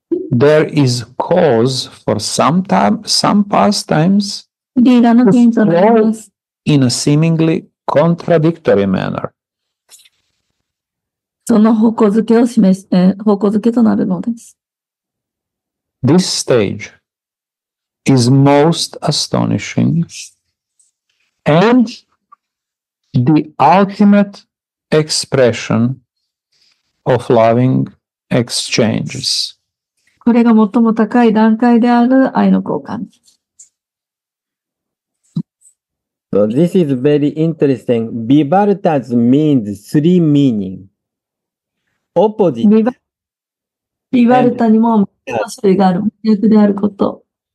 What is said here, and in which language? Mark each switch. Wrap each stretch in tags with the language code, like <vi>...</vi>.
<en>There is cause for some pastimes to flow in a seemingly contradictory manner.</en> <ja>その方向づけを示す、方向づけとなるのです。</ja> <en>This stage is most astonishing and the ultimate expression of loving exchanges.</en> <ja>これが最も高い段階である愛の交換。</ja> <en>So this is very interesting. Vivartas means three meaning. Opposite.</en> <ja>Vivarta にも種類がある。逆であること。</ja>